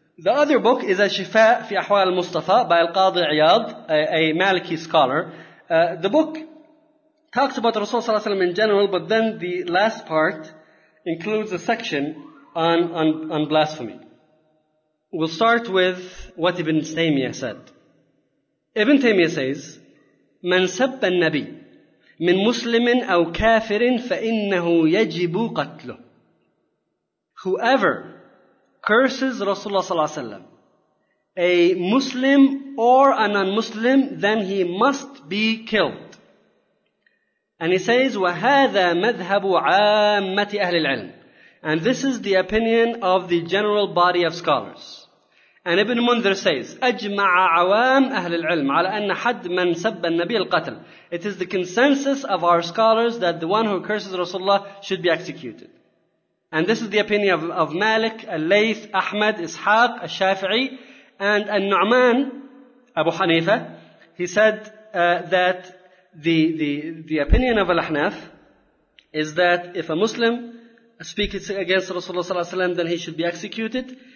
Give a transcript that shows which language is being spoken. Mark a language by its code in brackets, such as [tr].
[en] The other book is Al-Shifa fi Ahwal al-Mustafa by Al-Qadi Iyad, a Maliki scholar. The book talks about Rasulullah sallallahu alayhi wa sallam in general, but then the last part includes a section on blasphemy. We'll start with what Ibn Taymiyyah said. Ibn Taymiyyah says, [ar] "من سب النبي من مسلم أو كافر فإنه يجب قتله." [en] Whoever curses Rasulullah sallallahu alayhi wa sallam, a Muslim or a non-Muslim, then he must be killed. And he says, [ar] وَهَذَا مَذْهَبُ عَامَّةِ أَهْلِ الْعِلْمِ. [en] And this is the opinion of the general body of scholars. And Ibn Munzir says, [ar] أَجْمَعَ عَوَامْ أَهْلِ الْعِلْمِ عَلَى أَنَّ حَدْ مَنْ سَبَّ النَّبِيَ الْقَتْلِ. [en] It is the consensus of our scholars that the one who curses Rasulullah should be executed. And this is the opinion of Malik, Al-Layth, Ahmed, Ishaq, Al-Shafi'i, and Al-Nu'man, Abu Hanifa. He said that The opinion of Al-Ahnaf is that if a Muslim speaks against Rasulullah ﷺ, then he should be executed.